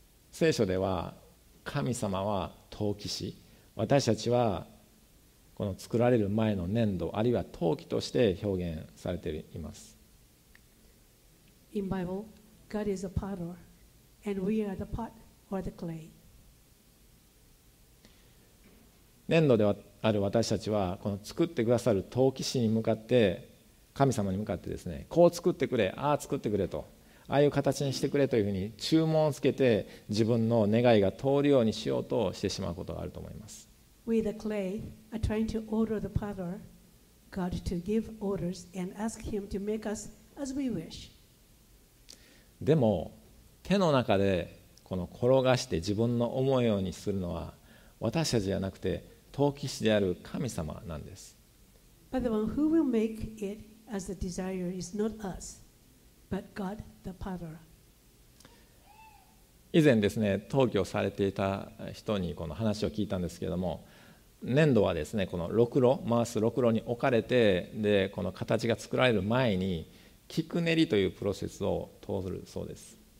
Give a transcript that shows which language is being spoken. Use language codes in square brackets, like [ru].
[ja] 聖書では神様は陶器師、私たちはこの作られる前の粘土、あるいは陶器として表現されています。 [en] In Bible, God is a potter, and we are the pot or the clay. [ja] 粘土である私たちは、この作ってくださる陶器師に向かって、神様に向かってですね、こう作ってくれ、ああ作ってくれと、ああいう形にしてくれというふうに注文をつけて、自分の願いが通るようにしようとしてしまうことがあると思います。 [en] We the clay are trying to order the potter, God to give orders and ask Him to make us as we wish. [ja] でも手の中でこの転がして自分の思うようにするのは、私たちじゃなくて陶器師である神様なんです。 [en] But the one who will make it as the desire is not us, but God the potter. [ja] 以前ですね、陶器をされていた人にこの話を聞いたんですけれども、粘土はですね、このろくろ、回すろくろに置かれて、でこの形が作られる前に菊練りというプロセスを通るそうです。